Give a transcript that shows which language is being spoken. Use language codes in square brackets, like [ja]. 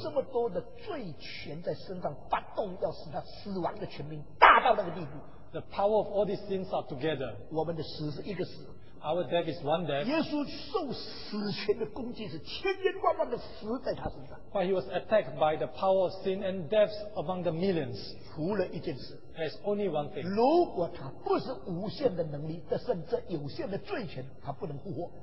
[zh] 这么多的罪权在身上发动要使他死亡的权柄大到那个地步, [en] the power of all these sins are together. [zh] 我们的死是一个死, [en] our death is one death. [zh] 耶稣受死权的攻击是千千万万的死在他身上, [en] but he was attacked by the power of sin and deaths among the millions. [zh] 除了一件事, [en] there's only one thing. [zh] 如果他不是无限的能力得胜这有限的罪权, 他不能复活。